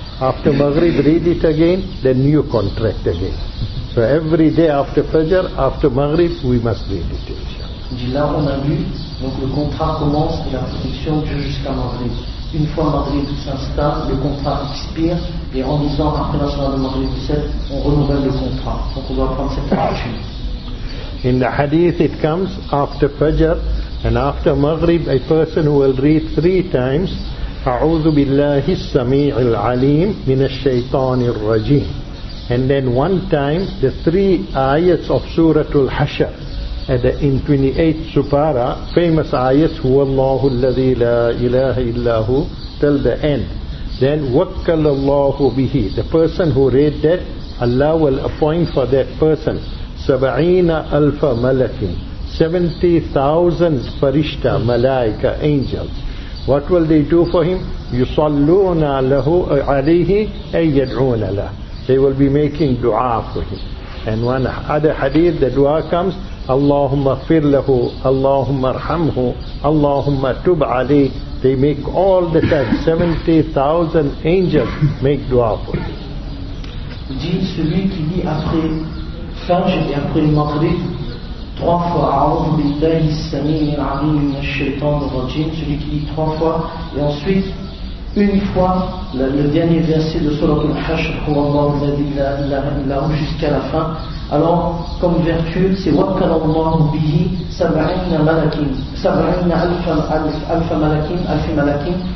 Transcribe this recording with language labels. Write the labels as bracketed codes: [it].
[en] After Maghrib, read it again, then new contract again. So every day after Fajr, after Maghrib, we must read it, inshallah. [fr] On a lu, donc le contrat commence et la protection dure jusqu'à Maghrib. Une fois Maghrib s'installe, le contrat expire, et en disant après la salat de Maghrib 7, on renouvelle le contrat. Donc on doit prendre cette action. [en] In the hadith it comes after Fajr and after Maghrib, a person who will read three times [ar] A'udhu billahi as-sami'il alim min ash-shaytanir rajim, [en] and then one time the three ayats of Suratul Hashr at the in 28th Supara, famous ayats, [ar] huwallahu alladhi la ilaha illahu, [en] till the end. Then wakkalallahu bihi, the person who read that, Allah will appoint for that person 70,000 farishta, malaika, angels. What will they do for him? [ar] يصلون له عليه أي يدعون له. [en] they will be making dua for him. And one other hadith, the dua comes, [ar] Allahumma fir lahu, Allahumma arhamhu, Allahumma tub alayh. [en] They make all the time, 70,000 angels make dua for him. [fr] Dit celui qui dit après Fajr et après le Maghrib, trois fois, [ar] A'udhu billahi samii'il 'aliim minash shaitaanir rajeem, [fr] celui qui dit trois fois, et ensuite, une fois, le dernier verset de Surah Al-Hashr, qu'Allah l'a dit là-haut jusqu'à la fin, alors, comme vertu, c'est [ar] Wakkal Allahu bihi sab'ina malakin, sab'ina alfa malakin, [fr] alfa malakin.